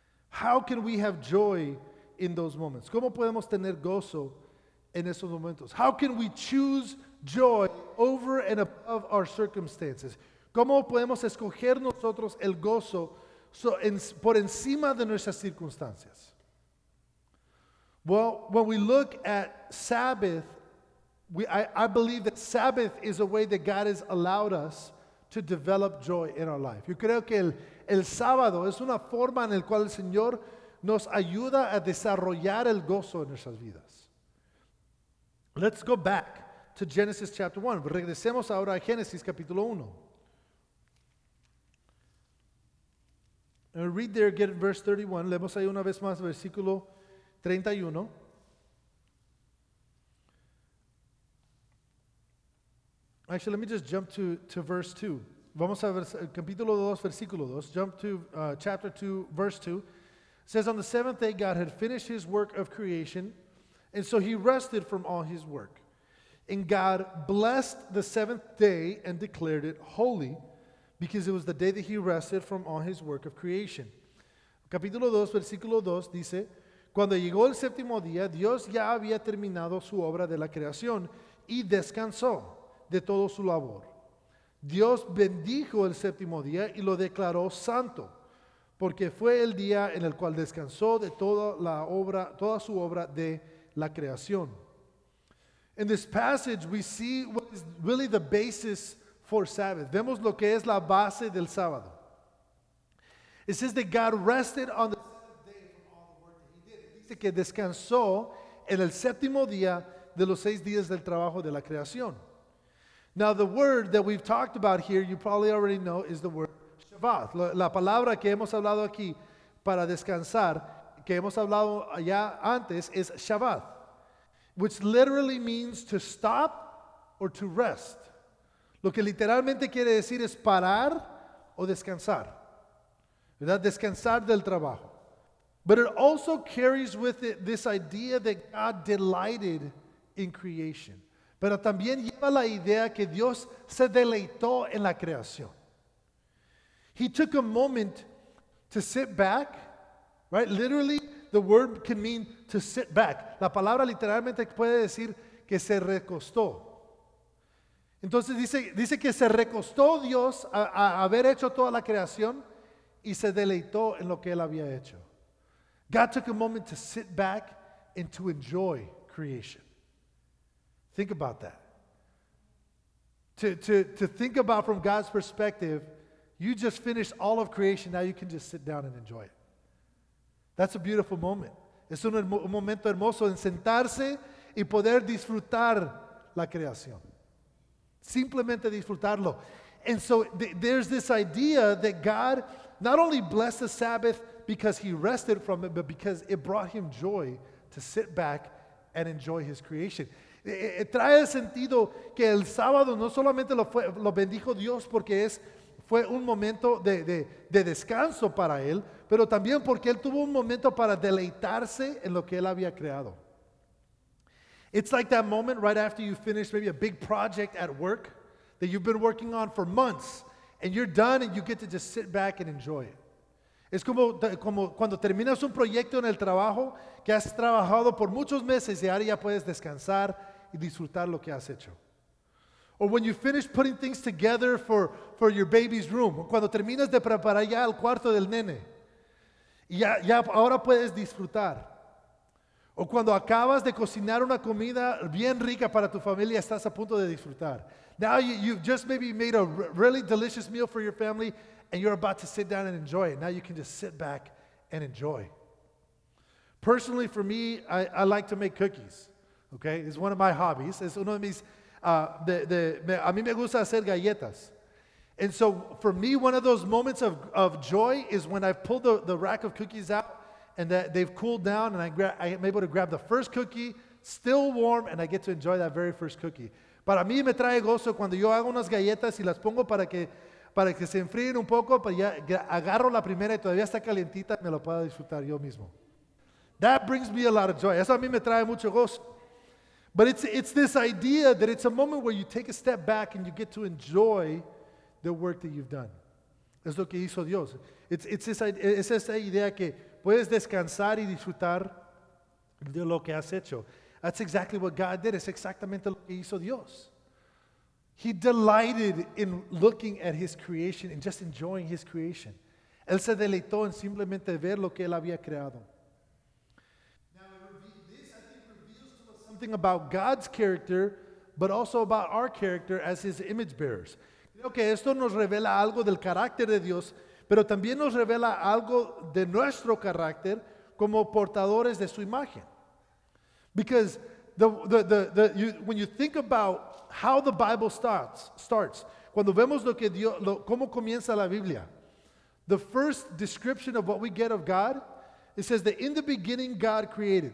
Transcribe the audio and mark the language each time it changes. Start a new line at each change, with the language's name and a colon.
English: How can we have joy in those moments?
Spanish: ¿Cómo podemos tener gozo en esos momentos?
English: How can we choose joy over and above our circumstances?
Spanish: ¿Cómo podemos escoger nosotros el gozo por encima de nuestras circunstancias?
English: Well, when we look at Sabbath, I believe that Sabbath is a way that God has allowed us to develop joy in our life.
Spanish: Yo creo que el sábado es una forma en la cual el Señor nos ayuda a desarrollar el gozo en nuestras vidas.
English: Let's go back to Genesis chapter 1.
Spanish: Regresemos ahora a Génesis capítulo 1.
English: And read there again in verse 31.
Spanish: Leemos ahí una vez más versículo 31.
English: Actually, let me just jump to verse 2.
Spanish: Vamos a ver capítulo 2, versículo 2.
English: Jump to chapter 2, verse 2. It says, on the seventh day, God had finished his work of creation, and so he rested from all his work. And God blessed the seventh day and declared it holy, because it was the day that he rested from all his work of creation.
Spanish: Capítulo 2, versículo 2 dice, cuando llegó el séptimo día, Dios ya había terminado su obra de la creación y descansó de todo su labor. Dios bendijo el séptimo día y lo declaró santo, porque fue el día en el cual descansó de toda su obra de la creación.
English: In this passage, we see what is really the basis for Sabbath.
Spanish: Vemos lo que es la base del sábado.
English: It says that God rested on the seventh day from all the work that he did.
Spanish: Dice que descansó en el séptimo día de los seis días del trabajo de la creación.
English: Now, the word that we've talked about here, you probably already know, is the word Shabbat.
Spanish: La palabra que hemos hablado aquí para descansar, que hemos hablado ya antes, es Shabbat,
English: which literally means to stop or to rest.
Spanish: Lo que literalmente quiere decir es parar o descansar, ¿verdad? Descansar del trabajo.
English: But it also carries with it this idea that God delighted in creation.
Spanish: Pero también lleva la idea que Dios se deleitó en la creación.
English: He took a moment to sit back, right? Literally, the word can mean to sit back.
Spanish: La palabra literalmente puede decir que se recostó. Entonces dice que se recostó Dios a haber hecho toda la creación y se deleitó en lo que él había hecho.
English: God took a moment to sit back and to enjoy creation. Think about that. To think about from God's perspective, you just finished all of creation, now you can just sit down and enjoy it. That's a beautiful moment.
Spanish: Es un momento hermoso en sentarse y poder disfrutar la creación. Simplemente disfrutarlo.
English: And so there's this idea that God not only blessed the Sabbath because he rested from it, but because it brought him joy to sit back and enjoy his creation.
Spanish: Trae el sentido que el sábado no solamente lo bendijo Dios porque fue un momento de descanso para él, pero también porque él tuvo un momento para deleitarse en lo que él había creado.
English: It's like that moment right after you finish maybe a big project at work that you've been working on for months, and you're done and you get to just sit back and enjoy it.
Spanish: Es como cuando terminas un proyecto en el trabajo que has trabajado por muchos meses y ahora ya puedes descansar y disfrutar lo que has hecho.
English: Or when you finish putting things together for your baby's room,
Spanish: cuando terminas de preparar ya el cuarto del nene, ya ahora puedes disfrutar. O cuando acabas de cocinar una comida bien rica para tu familia, estás a punto de disfrutar.
English: Now you've just maybe made a really delicious meal for your family, and you're about to sit down and enjoy it. Now you can just sit back and enjoy. Personally, for me, I like to make cookies. Okay, it's one of my hobbies.
Spanish: Es uno de mis a mí me gusta hacer galletas.
English: And so for me, one of those moments of joy is when I've pulled the rack of cookies out and that they've cooled down, and I'm able to grab the first cookie, still warm, and I get to enjoy that very first cookie.
Spanish: Para mí me trae gozo cuando yo hago unas galletas y las pongo para que se enfríen un poco, pero ya agarro la primera y todavía está calientita, me lo puedo disfrutar yo mismo.
English: That brings me a lot of joy.
Spanish: Eso a mí me trae mucho gozo.
English: But it's this idea that it's a moment where you take a step back and you get to enjoy the work that you've done.
Spanish: Es lo que hizo Dios. Es esa idea que puedes descansar y disfrutar de lo que has hecho.
English: That's exactly what God did.
Spanish: Es exactamente lo que hizo Dios.
English: He delighted in looking at his creation and just enjoying his creation.
Spanish: Él se deleitó en simplemente ver lo que él había creado.
English: About God's character, but also about our character as his image bearers.
Spanish: Creo que esto nos revela algo del carácter de Dios, pero también nos revela algo de nuestro carácter como portadores de su imagen.
English: Because when you think about how the Bible starts,
Spanish: cuando vemos lo que Dios, cómo comienza la Biblia,
English: the first description of what we get of God, it says that in the beginning God created.